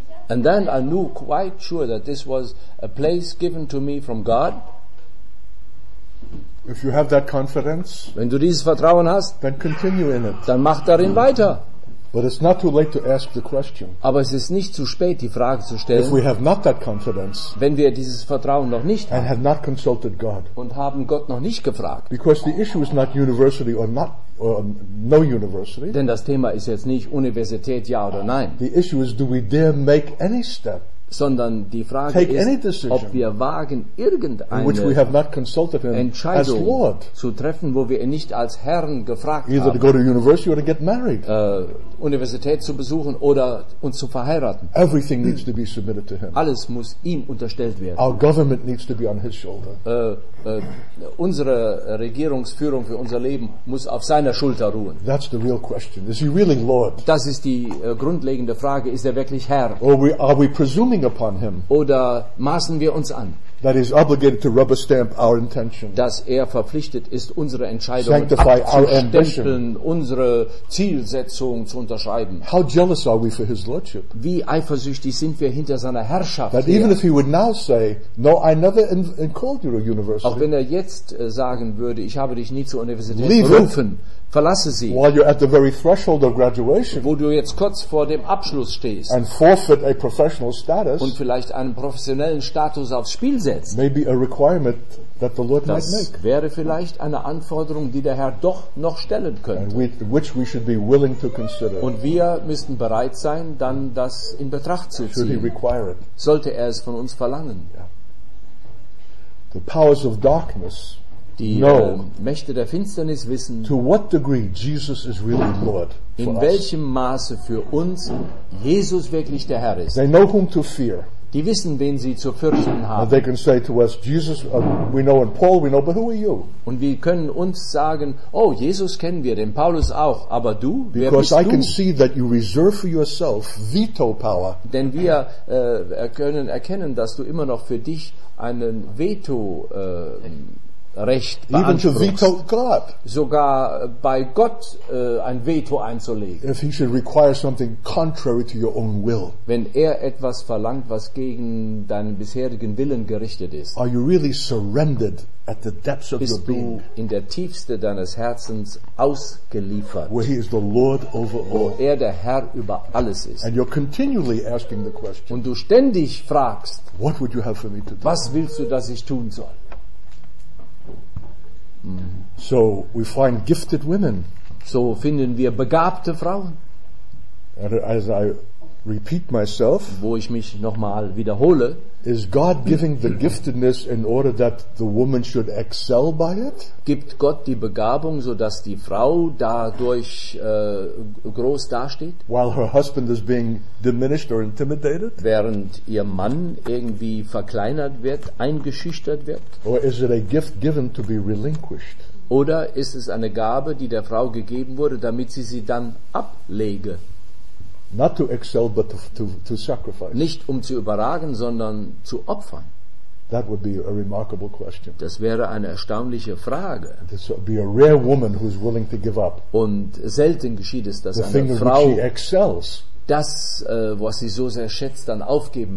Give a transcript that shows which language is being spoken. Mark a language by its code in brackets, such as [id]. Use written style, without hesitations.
[en] And then I knew quite sure that this was a place given to me from God. If you have that confidence, [de] wenn du dieses Vertrauen hast, [en] then continue in it. [de] Dann mach darin weiter. [en] But it's not too late to ask the question. [de] Aber es ist nicht zu spät, die Frage zu stellen. [en] If we have not that confidence, [de] wenn wir dieses Vertrauen noch nicht haben, [en] and have not consulted God, [de] und haben Gott noch nicht gefragt. [en] Because the issue is not university or not or no university. [de] Denn das Thema ist jetzt nicht Universität ja oder nein. [en] The issue is, do we dare make any step? [de] Sondern die Frage ist, ob wir wagen, irgendeine Entscheidung zu treffen, wo wir ihn nicht als Herrn gefragt [en] either [de] haben, [en] to go to university or to get married. [de] Universität zu besuchen oder uns zu verheiraten. [en] Everything needs to be submitted to him. [de] Alles muss ihm unterstellt werden. [en] Our government needs to be on his shoulder. [de] Unsere Regierungsführung für unser Leben muss auf seiner Schulter ruhen. [en] That's the real question. Is he really Lord? [de] Das ist die grundlegende Frage. Ist er wirklich Herr? [en] Are we presuming upon him? [de] Oder maßen wir uns an? [en] That he's obligated to rubber stamp our intention. [de] Dass er verpflichtet ist, unsere Entscheidungen abzustempeln, unsere Zielsetzung zu unterschreiben. [en] How jealous are we for his lordship? [de] Wie eifersüchtig sind wir hinter seiner Herrschaft? [en] That even if he would now say, no, I never called you to university. [de] Auch wenn er jetzt sagen würde, ich habe dich nie zur Universität berufen, verlasse sie. [en] While you're at the very threshold of graduation, [de] wo du jetzt kurz vor dem Abschluss stehst, [en] and forfeit a professional status, [de] und vielleicht einen professionellen Status aufs Spiel setzt, [en] maybe a requirement that the Lord [de] das [en] might make. [de] Wäre vielleicht eine Anforderung, die der Herr doch noch stellen könnte. [en] And which we should be willing to consider. [de] Und wir müssten bereit sein, dann das in Betracht zu ziehen. [en] Should he require it? [de] Sollte er es von uns verlangen? [en] Yeah. The powers of darkness. [de] Die Mächte der Finsternis wissen, [en] to what degree Jesus is really Lord for [de] in welchem Maße für uns Jesus wirklich der Herr ist. [en] They know whom to fear. [de] Die wissen, wen sie zu fürchten haben. [en] And they can say to us, Jesus, we know and Paul we know, but who are you? [de] Und wir können uns sagen, oh, Jesus kennen wir, den Paulus auch, aber du, wer [en] Because [de] bist du? [en] Because I can see that you reserve for yourself veto power. [de] Denn wir können erkennen, dass du immer noch für dich einen Veto Recht [en] Even to veto God. [de] Sogar bei Gott ein Veto einzulegen. [en] If he should require something contrary to your own will. [de] Wenn er etwas verlangt, was gegen deinen bisherigen Willen gerichtet ist. [en] Are you really surrendered at the depths of [de] Bist [en] your being? [de] In der Tiefste deines Herzens ausgeliefert. [en] Where he is the Lord over [de] wo [en] all. [de] Er der Herr über alles ist. [en] And you're continually asking the question. [de] Und du ständig fragst. [en] What would you have for me to do? [de] Was willst du, dass ich tun soll? [en] So we find gifted women. [de] So finden wir begabte Frauen. [en] As I repeat myself, [de] wo ich mich nochmal wiederhole, [en] is God giving the giftedness in order that the woman should excel by it? [de] Gibt Gott die Begabung, so dass die Frau dadurch groß dasteht? [en] While her husband is being diminished or intimidated? [de] Während ihr Mann irgendwie verkleinert wird, eingeschüchtert wird? [en] Or is it a gift given to be relinquished? [de] Oder ist es eine Gabe, die der Frau gegeben wurde, damit sie sie dann ablege? [en] Not to excel, but to sacrifice. [de] Nicht um zu überragen, sondern zu opfern. [en] That would be a remarkable question. [de] Das wäre eine erstaunliche Frage. [en] This would be a rare woman who is willing to give up. [de] Und selten geschieht es, dass [en] the [de] eine Frau [en] she excels, [de] das, was sie so sehr schätzt, dann aufgeben